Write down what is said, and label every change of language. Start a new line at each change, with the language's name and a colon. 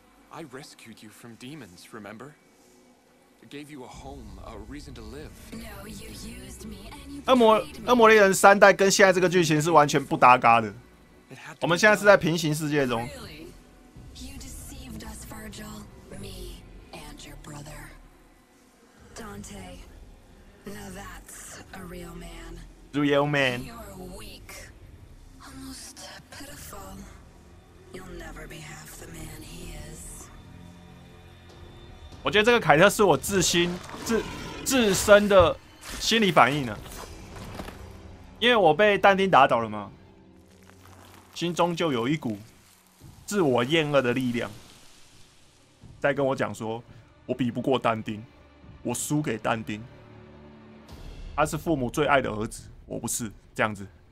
English: I rescued you from demons, remember? Gave you a home, a reason to live. No, you used me and you.
Chinese: 恶魔猎人三代跟现在这个剧情是完全不搭嘎的。我们现在是在平行世界中。
English: Really? You deceived us, Virgil, me and your brother. Dante, now that's a real man. Real man. You're weak, almost pitiful. You'll never be half the man he is.
Chinese: 我觉得这个凯特是我自身的心理反应呢，因为我被但丁打倒了嘛，心中就有一股自我厌恶的力量在跟我讲说，我比不过但丁，我输给但丁，他是父母最爱的儿子，我不是这样子。